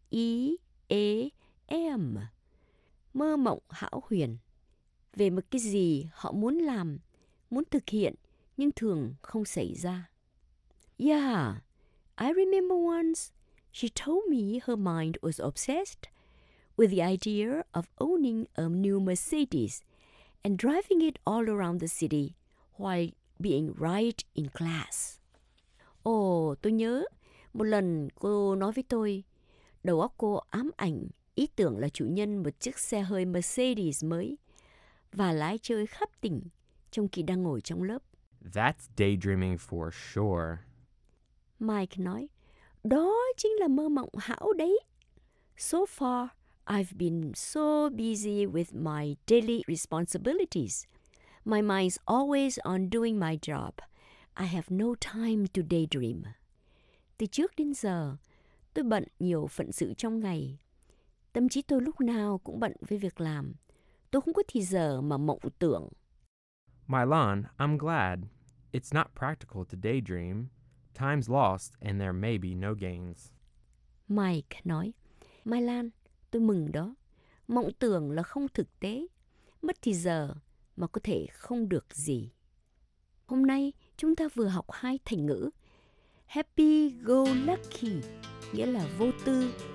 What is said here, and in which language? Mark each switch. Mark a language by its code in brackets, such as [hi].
[vi] D-A-Y-D-R-E-A-M. Mơ mộng hão huyền về một cái gì họ muốn làm, muốn thực hiện, nhưng thường không xảy ra. [en] Yeah, I remember once she told me her mind was obsessed with the idea of owning a new Mercedes and driving it all around the city while being right in class. [vi] Oh, tôi nhớ một lần cô nói với tôi, đầu óc cô ám ảnh ý tưởng là chủ nhân một chiếc xe hơi Mercedes mới và lái chơi khắp tỉnh trong khi đang ngồi trong lớp. [en] That's daydreaming for sure. [vi] Mike nói, đó chính là mơ mộng hão đấy. [en] So far, I've been so busy with my daily responsibilities. My mind's always on doing my job. I have no time to daydream. [vi] Từ trước đến giờ, tôi bận nhiều phận sự trong ngày. Tâm trí tôi lúc nào cũng bận với việc làm. Tôi không có thời giờ mà mộng tưởng. [en] Mylon, I'm glad. It's not practical to daydream. Time's lost and there may be no gains. [vi] Mike nói, Mylon, tôi mừng đó. Mộng tưởng là không thực tế. Mất thì giờ mà có thể không được gì. Hôm nay, chúng ta vừa học hai thành ngữ. Happy go lucky, nghĩa là vô tư.